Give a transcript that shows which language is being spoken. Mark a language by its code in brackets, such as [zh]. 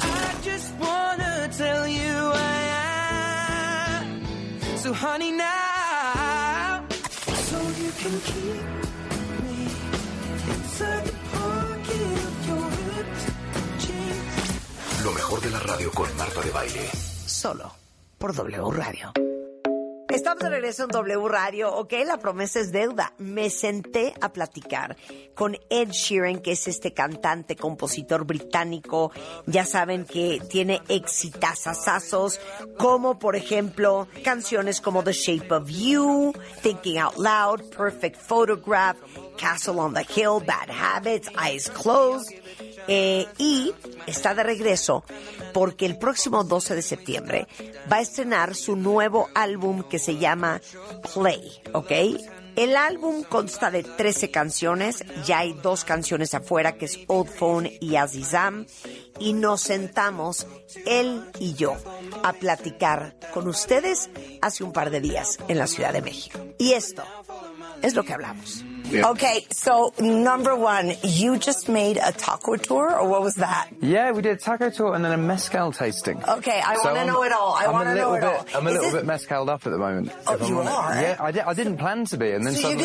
[en] I just wanna tell you I am. So honey, now. So you can keep me inside the pocket of your ripped jeans. [es] Lo mejor de la radio con Marta de Baile. Solo por W Radio. Estamos de regreso en W Radio. Ok, la promesa es deuda. Me senté a platicar con Ed Sheeran, que es este cantante, compositor británico. Ya saben que tiene exitazazos, como por ejemplo canciones como The Shape of You, Thinking Out Loud, Perfect Photograph, Castle on the Hill, Bad Habits, Eyes Closed. Y está de regreso porque el próximo 12 de septiembre va a estrenar su nuevo álbum que se llama Play, ¿ok? El álbum consta de 13 canciones, ya hay dos canciones afuera que es Old Phone y Azizam, y nos sentamos, él y yo, a platicar con ustedes hace un par de días en la Ciudad de México. Y esto es lo que hablamos. [en] Yeah. Okay, so number one, you just made a taco tour, or what was that? Yeah, we did a taco tour and then a mezcal tasting. Okay, I so want to know it all. I want to know bit, it all. I'm a little bit mezcaled up at the moment. Oh, you are? Yeah, I didn't plan to be. And then so suddenly,